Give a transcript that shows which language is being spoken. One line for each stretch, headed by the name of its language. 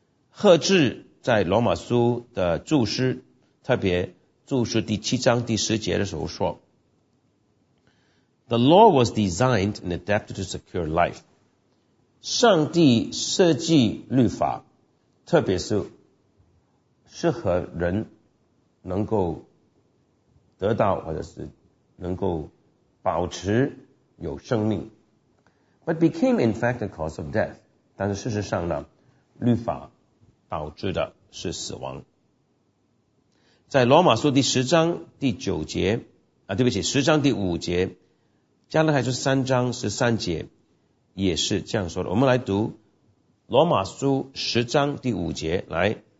Chinese: 赫志在罗马书的注释，特别注释第七章第十节的时候说，
English: The law was designed and adapted to secure life.
Chinese: 上帝设计律法，特别是适合人能够得到或者是能够保持有生命。
English: But became in fact a cause of death.
Chinese: 但是事实上呢，律法导致的是死亡。在罗马书第十章第九节十章第五节，加拉太书三章十三节也是这样说的。我们来读罗马书十章第五节，来。